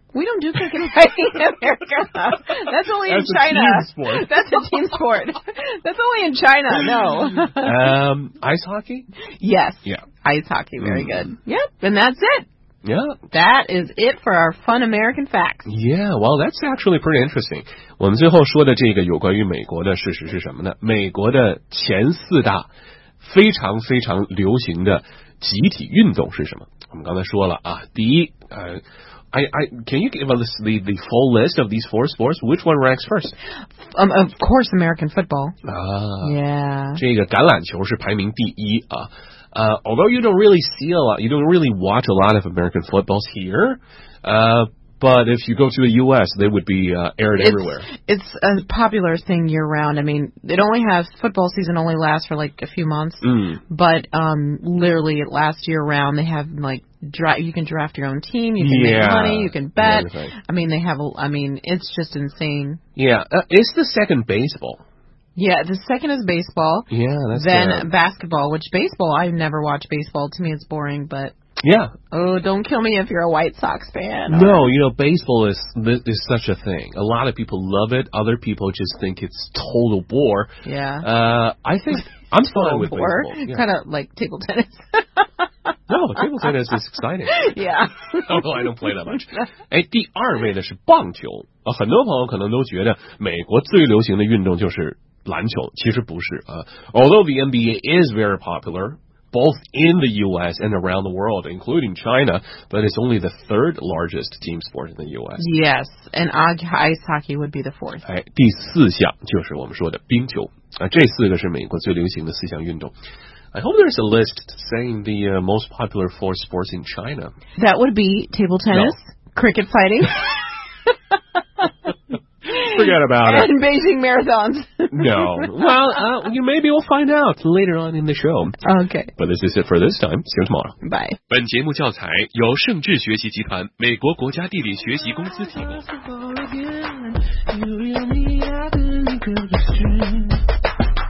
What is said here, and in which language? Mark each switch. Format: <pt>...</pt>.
<en>We don't do cricket and fighting in America. That's only in China. That's a team sport. That's a team sport. That's only in China, no. Ice hockey? Yes. Yeah. Ice hockey, very good. Yep, and that's it. Yeah. That is it for our fun American facts. Yeah, well, that's actually pretty interesting.</en> <zh>我们最后说的这个有关于美国的事实是什么呢？美国的前四大非常非常流行的集体运动是什么？我们刚才说了啊，第一，</zh> <en>can you give us the full list of these four sports? Which one ranks first? Of course, American football. Yeah.</en> <zh>这个橄榄球是排名第一啊。</zh> <en>Although you don't really see a lot, you don't really watch a lot of American footballs here, but if you go to the U.S., they would be aired everywhere. It's a popular thing year-round. I mean, it only has, football season only lasts for like a few months, but literally it lasts year-round. They have like, you can draft your own team, you can make money, you can bet. I mean, it's just insane. Yeah, it's the second baseball. Yeah, the second is baseball. Yeah, that's then good. Then basketball, which baseball, I never watch baseball. To me, it's boring, but... Yeah. Oh, don't kill me if you're a White Sox fan. No, you know, baseball is such a thing. A lot of people love it. Other people just think it's total bore. Yeah. I think... I'm fine with baseball. Yeah. Kind of like table tennis. No, table tennis is exciting. Yeah. Although I don't play that much.</en> <zh>哎，第二位呢是棒球。很多朋友可能都觉得美国最流行的运动就是篮球，其实不是。</zh> <en>Although the NBA is very popular, both in the U.S. and around the world, including China, but it's only the third largest team sport in the U.S. Yes, and ice hockey would be the fourth.</en> <zh>哎，第四项就是我们说的冰球。这四个是美国最流行的四项运动。</zh> <en>I hope there's a list saying the most popular four sports in China. That would be table tennis, no. Cricket fighting. Forget about it. And Beijing marathons. No. Well, you maybe will find out later on in the show. Okay. But this is it for this time. See you tomorrow. Bye.</en> <zh>本节目教材由盛智学习集团美国国家地理学习公司提供。</zh>